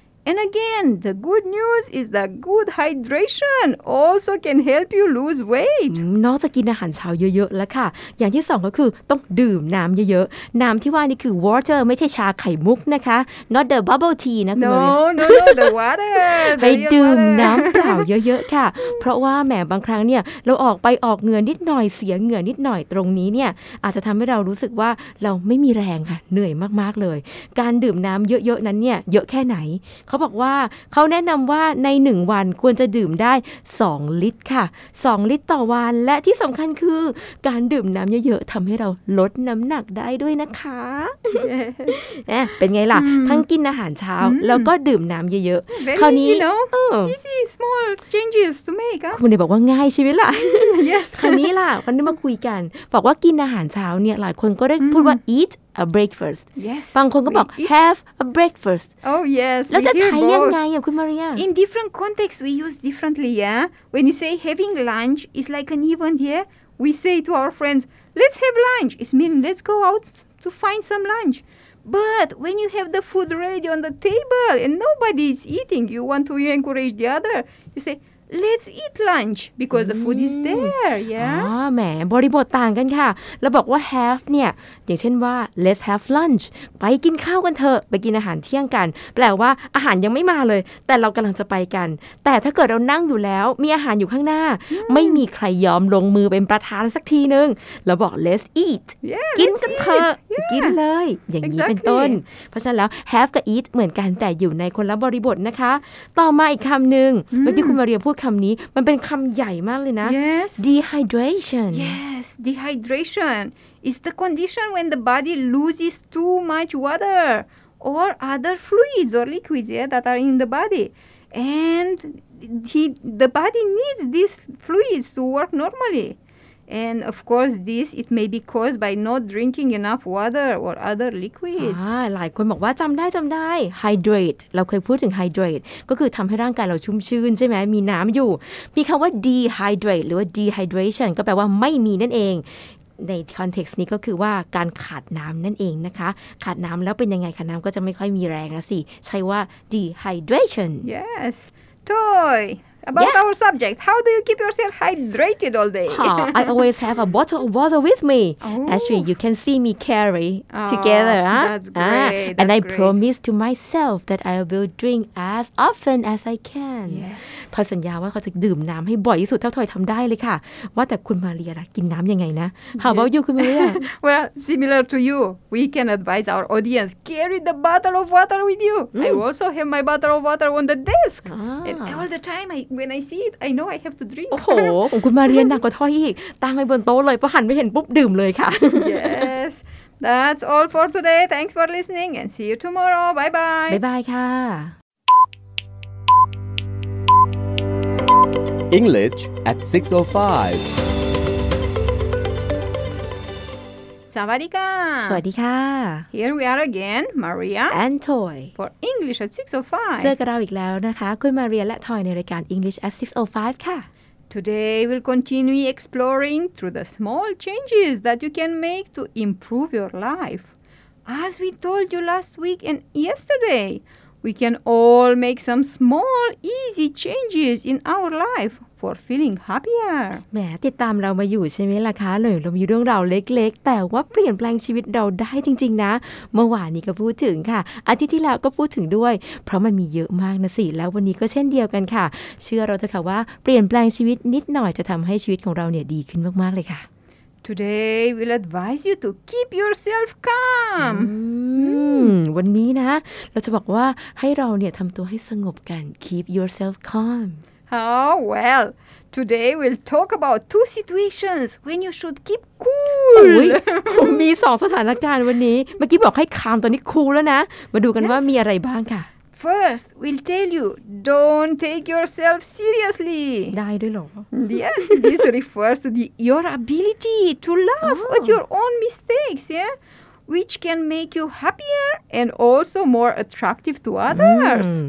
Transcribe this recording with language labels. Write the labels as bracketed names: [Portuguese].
[English] And again, the good news is that good hydration also can help you lose weight. [Thai] นอกจากกินอาหารเช้าเยอะๆแล้วค่ะอย่างที่สองก็คือต้องดื่มน้ำเยอะๆน้ำที่ว่านี่คือ water ไม่ใช่ชาไข่มุกนะคะ [English] not the bubble tea [Thai] นะคุ ณ เลย [English] no the water [Thai] ไปดื่มน้ำเปล่าเยอะๆค่ะ เพราะว่าแหมบางครั้งเนี่ยเราออกไปออกเหงื่อนิดหน่อยเสียเหงื่อนิดหน่อยตรงนี้เนี่ยอาจจะทำให้เรารู้สึกว่าเราไม่มีแรงค่ะเหนื่อยมากๆเลยการดื่มน้ำเยอะๆนั้นเนี่ยเยอะแค่ไหนเขาบอกว่าเขาแนะนำว่าใน1วันควรจะดื่มได้2ลิตรค่ะ2ลิตรต่อวันและที่สำคัญคือการดื่มน้ำเยอะๆทำให้เราลดน้ำหนักได้ด้วยนะคะ [English] yes. [Thai] เป็นไงล่ะ ทั้งกินอาหารเช้า แล้วก็ดื่มน้ำเยอะ ๆคราวนี้ [English] easy small changes to make [Thai] คุณได้บอกว่าง่ายใช่ไหมล่ะ [English] yes [Thai] คราวนี้ล่ะวันนี้มาคุยกันบอกว่ากินอาหารเช้าเนี่ยหลายคนก็ได้ พูดว่า [English] eata breakfast yes [Thai] บางคนก็บอก [English] have a breakfast oh yes [Thai] แล้วจะใช้ยังไงอ่ะคุณมาเรีย [English] in different context we use differently yeah when you say having lunch is like an event yeah we say to our friends let's have lunch it means let's go out to find some lunch but when you have the food ready on the table and nobody is eating you want to encourage the other you sayLet's eat lunch because the food is there. Yeah. [Thai] แหมบริบทต่างกันค่ะแล้วบอกว่า have เนี่ยอย่างเช่นว่า [English] let's have lunch [Thai] ไปกินข้าวกันเถอะไปกินอาหารเที่ยงกันแปลว่าอาหารยังไม่มาเลยแต่เรากำลังจะไปกันแต่ถ้าเกิดเรานั่งอยู่แล้วมีอาหารอยู่ข้างหน้า mm. ไม่มีใครยอมลงมือเป็นประธานสักทีนึงเราบอก [English] let's eat yeah, [Thai] กินกันเถอะกินเลยอย่างนี้ [English] exactly. [Thai] เป็นต้นเพราะฉะนั้นแล้ว have กับ eat เหมือนกันแต่อยู่ในคนละบริบทนะคะต่อมาอีกคำหนึ่งเมื่อกี้คุณมาเรียพูดคำนี้มันเป็นคำใหญ่มากเลยนะ [English] yes. dehydration yes dehydration is the condition when the body loses too much water or other fluids or liquids yeah, that are in the body and the body needs these fluids to work normally And of course this it may be caused by not drinking enough water or other liquids [Thai] หลายคนบอกว่าจำได้จำได้ hydrate เราเคยพูดถึง hydrate ก็คือทำให้ร่างกายเราชุ่มชื่นใช่ไหมมีน้ำอยู่มีคำว่า dehydrate หรือว่า dehydration ก็แปลว่าไม่มีนั่นเองในคอนเท็กซ์นี้ก็คือว่าการขาดน้ำนั่นเองนะคะขาดน้ำแล้วเป็นยังไงคะน้ำก็จะไม่ค่อยมีแรงนะสิใช้ว่า dehydration [English] yes toyAbout our subject, how do you keep yourself hydrated all day? I always have a bottle of water with me. Actually, you can see me carry together. That's great. Promise to myself that I will drink as often as I can. Yes. [Thai] ทอยสัญญาว่าเขาจะดื่มน้ำให้บ่อยที่สุดเท่าทอยทำได้เลยค่ะว่าแต่คุณมาเรียกินน้ำยังไงนะ [English] How about you, [Thai] คุณมาเรีย [English] Well, similar to you, we can advise our audience, carry the bottle of water with you. I also have my bottle of water on the desk. And all the time, When I see it, I know I have to drink. [Thai] โอ้โหของคุณมาเรียนหนักกว่าท้ออีกตั้งไว้บนโต๊ะเลยพอหันไปเห็นปุ๊บดื่มเลยค่ะ [English] Yes, that's all for today. Thanks for listening and see you tomorrow. Bye bye. Bye bye ค่ะ English at 6:05. [Thai] สวัสดีค่ะ สวัสดีค่ะ [English] Here we are again, Maria and Toy for English at 6:05 [Thai] เจอกับเราอีกแล้วนะคะคุณมาเรียและทอยในรายการ English at 6:05 ค่ะ [English] Today we'll continue exploring through the small changes that you can make to improve your life. As we told you last week and yesterday, we can all make some small easy changes in our life. For feeling happier. [Thai] แหมติดตามเรามาอยู่ใช่ไหมล่ะคะหน่อยเรามีเรื่องราวเล็กๆแต่ว่าเปลี่ยนแปลงชีวิตเราได้จริงๆนะเมื่อวานนี้ก็พูดถึงค่ะอาทิตย์ที่แล้วก็พูดถึงด้วยเพราะมันมีเยอะมากนะสิแล้ววันนี้ก็เช่นเดียวกันค่ะเชื่อเราเถอะค่ะว่าเปลี่ยนแปลงชีวิตนิดหน่อยจะทำให้ชีวิตของเราเนี่ยดีขึ้นมากๆเลยค่ะ [English] Today we'll advise you to keep yourself calm. [Thai] วันนี้นะเราจะบอกว่าให้เราเนี่ยทำตัวให้สงบกัน [English] keep yourself calm. Oh, well, today we'll talk about two situations when you should keep cool. [Thai] มีสองสถานการณ์วันนี้เมื่อกี้บอกให้ calm ตอนนี้ cool แล้วนะมาดูกันว่ามีอะไรบ้างค่ะ [English] First, we'll tell you, don't take yourself seriously. [Thai] ได้ด้วยหรอ [English] Yes, this refers to your ability to laugh at your own mistakes, yeah? Which can make you happier and also more attractive to others.